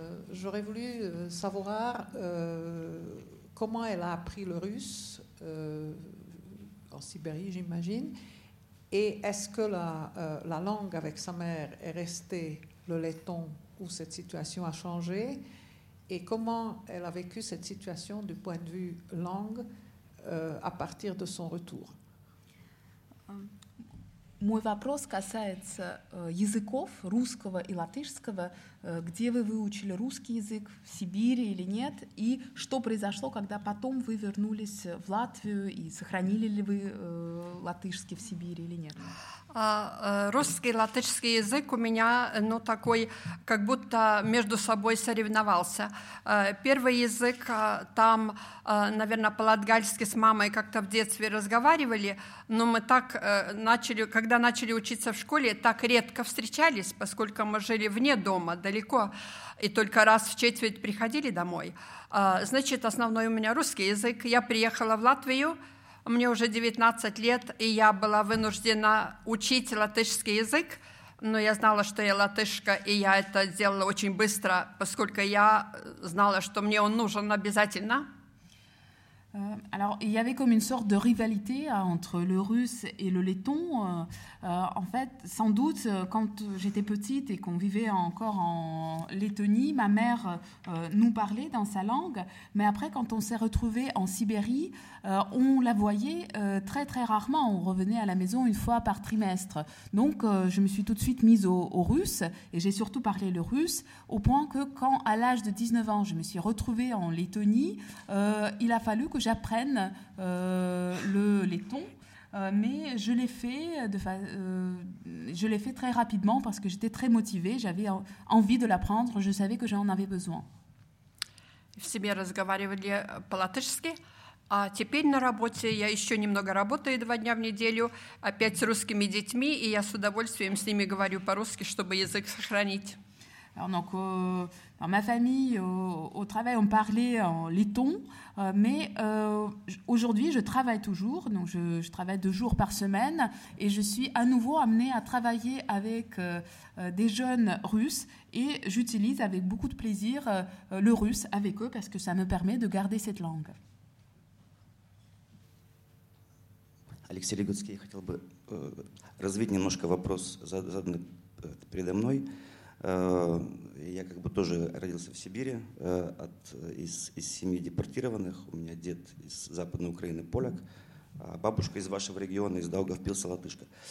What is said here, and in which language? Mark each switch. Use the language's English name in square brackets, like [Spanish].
[French] J'aurais voulu savoir comment elle a appris le russe en Sibérie, j'imagine, et est-ce que la langue avec sa mère est restée le letton ou cette situation a changé, et comment elle a vécu cette situation du point de vue langue à partir de son retour. [Russian] Мой вопрос касается языков русского и латышского. Где вы выучили русский язык, в Сибири или нет? И что произошло, когда потом вы вернулись в Латвию и сохранили ли вы латышский в Сибири или нет? Русский и латышский язык у меня, ну, такой, как будто между собой соревновался. Первый язык там, наверное, по-латгальски с мамой как-то в детстве разговаривали, но мы так начали, когда начали учиться в школе, так редко встречались, поскольку мы жили вне дома, далеко, и только раз в четверть приходили домой. Значит, основной у меня русский язык. Я приехала в Латвию. Мне уже 19 лет, и я была вынуждена учить латышский язык, Но я знала, что я латышка, и я это сделала очень быстро, поскольку я знала, что мне он нужен обязательно. [French] Alors, il y avait comme une sorte de rivalité entre le russe et le letton. En fait, sans doute, quand j'étais petite et qu'on vivait encore en Lettonie, ma mère nous parlait dans sa langue. Mais après, quand on s'est retrouvés en Sibérie, on la voyait très, très rarement. On revenait à la maison une fois par trimestre. Donc, je me suis tout de suite mise au russe et j'ai surtout parlé le russe au point que quand, à l'âge de 19 ans, je me suis retrouvée en Lettonie, il a fallu que j'apprenne le letton, mais je l'ai fait je l'ai fait très rapidement parce que j'étais très motivée, j'avais envie de l'apprendre, je savais que j'en avais besoin. [Russian] В семье разговаривали по-латышски, а теперь на работе я еще немного работаю 2 дня в неделю, опять с русскими детьми, и я с удовольствием с ними говорю по-русски, чтобы язык сохранить. [French] Alors, donc, dans ma famille, au travail, on parlait en letton, mais aujourd'hui, je travaille toujours, donc je travaille 2 jours par semaine, et je suis à nouveau amenée à travailler avec des jeunes russes, et j'utilise avec beaucoup de plaisir le russe avec eux, parce que ça me permet de garder cette langue. [Russian] Алексей Легутский, я хотел бы развить немножко вопрос, заданный передо мной. Я как бы тоже родился в Сибири, из семьи депортированных. У меня дед из Западной Украины, поляк, а бабушка из вашего региона, из Даугавпилса, латышка.